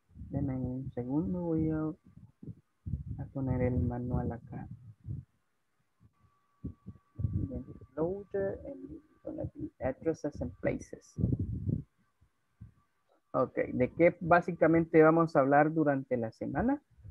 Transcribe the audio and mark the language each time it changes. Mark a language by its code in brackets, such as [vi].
[es] Deme un segundo, voy a poner el manual acá. [en] Load it and it's gonna be addresses and places. [es] Okay, ¿de qué básicamente vamos a hablar durante la semana?